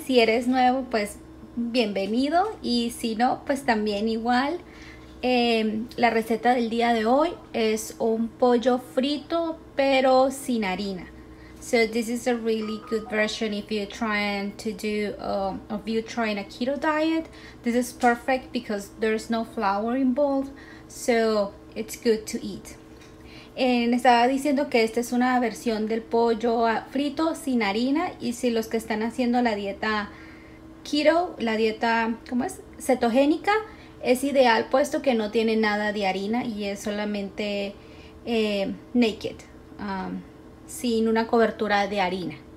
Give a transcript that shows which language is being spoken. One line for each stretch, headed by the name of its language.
Spanish: Si eres nuevo, pues bienvenido, y si no, pues también igual. La receta del día de hoy es un pollo frito pero sin harina.
English: So this is a really good version if you're trying to do if you're trying a keto diet. This is perfect because there's no flour involved, so it's good to eat.
Spanish: Estaba diciendo que esta es una versión del pollo frito sin harina, y si los que están haciendo la dieta keto, la dieta, ¿cómo es? Cetogénica, es ideal, puesto que no tiene nada de harina y es solamente naked, sin una cobertura de harina.